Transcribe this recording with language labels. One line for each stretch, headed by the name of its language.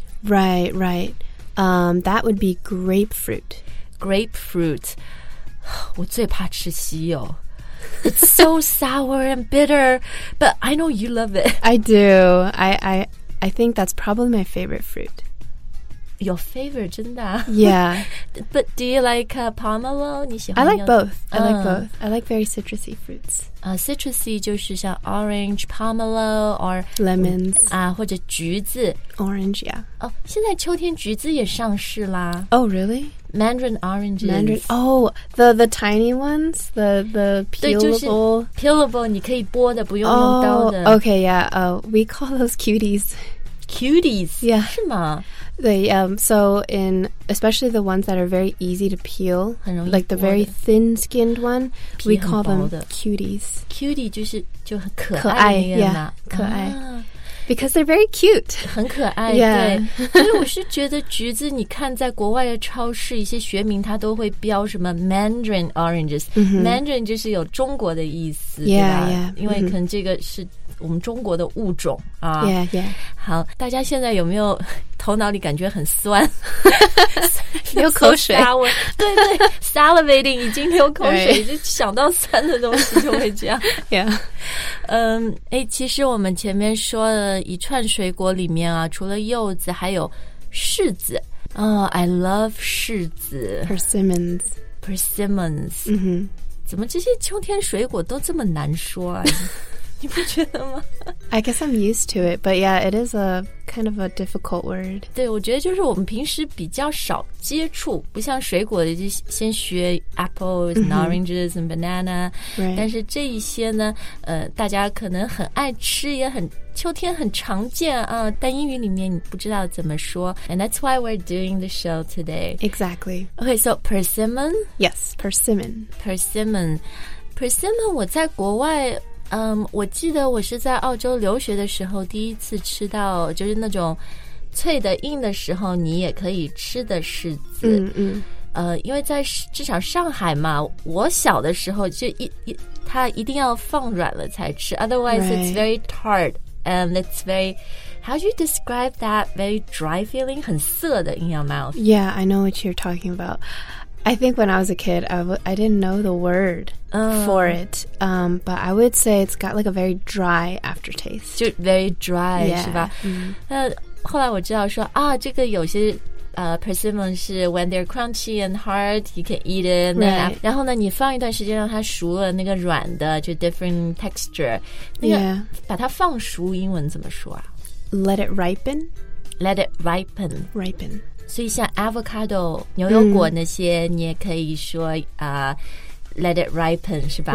English: Right, right. That would be grapefruit.
Chinese: Grapefruit. 我最怕吃西柚。
English: It's so sour and bitter, but I know you love it. I do. I think that's probably my favorite fruit. Your favorite,
Chinese: 真的、啊、
English: Yeah. But do you like pomelo? I like both. I like both. I like very citrusy fruits. Citrusy
Chinese: 就是像
English: orange, pomelo, or... Lemons.
Chinese: 或者橘子。
English: Orange, yeah.
Chinese: 现在秋天橘子也上市啦。
English: Oh, really? Mandarin oranges. Mandarin, oh, the tiny ones? The peelable?
Chinese: 对，就是 peelable, 你可以剥的，不用用刀的。
English: Oh, okay, yeah, we call those cuties. Cuties? Yeah.
Chinese: 是吗？
English: 对，so in, especially the ones that are very easy to peel, like the very thin-skinned one, we call them cuties.
Chinese: Cutie 就是就很可爱的。可爱, yeah, 可爱。
English: Because they're very cute.
Chinese: 很可爱、yeah. 对。所以我是觉得橘子你看在国外的超市一些学名它都会标什么 Mandarin oranges、 mm-hmm. Mandarin 就是有中国的意思
English: yeah,
Chinese: 对吧、
English: yeah.
Chinese: 因为可能这个是我们中国的物种、mm-hmm. 啊
English: yeah, yeah.
Chinese: 好，大家现在有没有头脑里感觉很酸流口水对对 salivating 已经流口水、right. 就想到酸的东西就会这样
English: yeah
Chinese: 其实我们前面说了一串水果里面啊，除了柚子，还有柿子。
English: I love 柿子。 Persimmons. Persimmons. 嗯哼。
Chinese: 怎么这些秋天水果都这么难说啊？你不觉得吗
English: I guess I'm used to it, but yeah, it is a kind of a difficult word.
Chinese: 对，我觉得就是我们平时比较少接触，不像水果的，就先学
English: apples and oranges and banana. Right.
Chinese: 但是这一些呢，大家可能很爱吃，也很秋天很常见啊。但英语里面你不知道怎么说。
English: And that's why we're doing the show today. Exactly. Okay, so persimmon? Yes, persimmon. Persimmon.
Chinese: Persimmon, 我在国外我记得我是在澳洲留学的时候第一次吃到就是那种脆的硬的时候你也可以吃的柿子因为在至少上海嘛我小的时候就它一定要放软了才吃 otherwise、
English: right. it's very tart and it's very how do you describe that very dry feeling
Chinese: 很涩的
English: in your mouth yeah I know what you're talking aboutI think when I was a kid, I didn't know the word for it. But I would say it's got like a very dry aftertaste. 就 very dry, yeah,
Chinese: 是吧？后来我知道说啊，这个有些
English: persimmon 是 when they're crunchy and hard, you can eat it. Right.
Chinese: 然后呢，你放一段时间让它熟了，那个软的就
English: different texture.
Chinese: 那个、
English: yeah.
Chinese: 把它放熟，英文怎么说啊
English: ？Let it ripen. Let it ripen. Ripen.
Chinese: 所以像 avocado 牛油果那些、你也可以说、
English: let it ripen
Chinese: 是吧